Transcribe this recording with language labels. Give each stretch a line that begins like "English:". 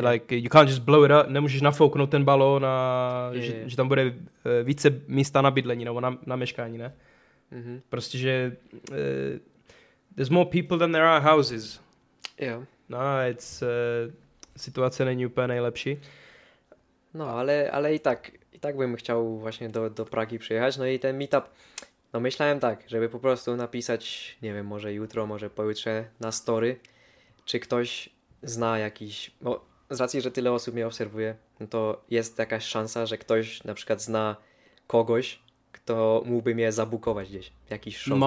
English: Like, you can't just blow it up,
Czech: nemůžeš nafouknout ten balón a že tam bude více místa na bydlení nebo na meškání, ne? Mm-hmm. Prostě, že
English: there's more people than there are houses.
Czech: Jo. No,
English: it's,
Czech: situace není úplně nejlepší. No, ale i tak bym chtěl vlastně do Pragy přijechat, no i ten meetup,
Polish: no myślałem tak, żeby po prostu napisać, nie wiem, może jutro, może pojutrze na story, czy ktoś zna jakiś, bo z racji, że tyle osób mnie obserwuje, no to jest jakaś szansa, że ktoś na przykład zna kogoś, kto mógłby mnie zabukować gdzieś, jakiś show.